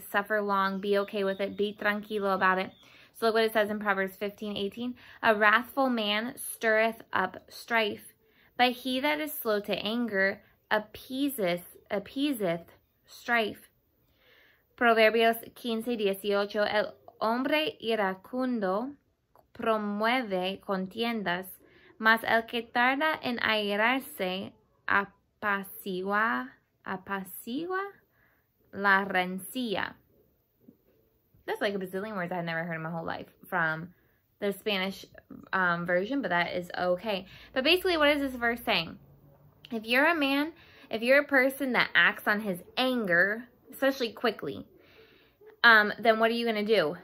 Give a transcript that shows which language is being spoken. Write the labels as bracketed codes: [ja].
[en] Suffer long, be okay with it, be tranquilo about it. So look what it says in Proverbs 15:18. A wrathful man stirreth up strife, but he that is slow to anger appeaseth strife. [es] Proverbios 15:18. El hombre iracundo promueve contiendas, mas el que tarda en airarse apacigua la rencilla. [en] That's like a bazillion words I've never heard in my whole life from the Spanish version, but that is okay. But basically, what is this verse saying? If you're a man, if you're a person that acts on his anger, especially quickly, then what are you going to do?